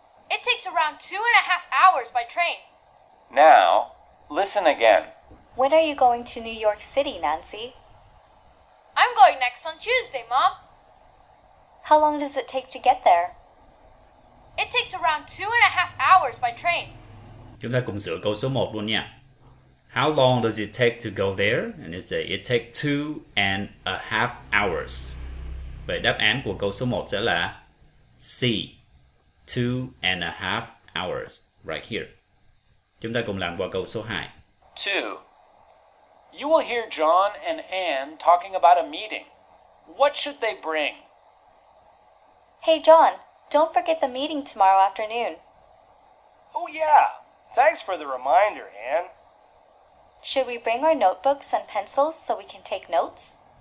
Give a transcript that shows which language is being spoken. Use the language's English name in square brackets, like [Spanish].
[English] It takes around 2.5 hours by train. Now, listen again. When are you going to New York City, Nancy? I'm going next on Tuesday, Mom. How long does it take to get there? It takes around 2.5 hours by train. [Vietnamese] Chúng ta cùng sửa câu số 1 luôn nha. [English] How long does it take to go there? And it says it takes 2.5 hours. [Vietnamese] Vậy đáp án của câu số 1 sẽ là C. [English] 2.5 hours. Right here. [Vietnamese] Chúng ta cùng làm qua câu số 2. [English] 2. You will hear John and Anne talking about a meeting. What should they bring? Hey John, don't forget the meeting tomorrow afternoon. Oh yeah, thanks for the reminder, Anne. Should we bring our notebooks and pencils so we can take notes?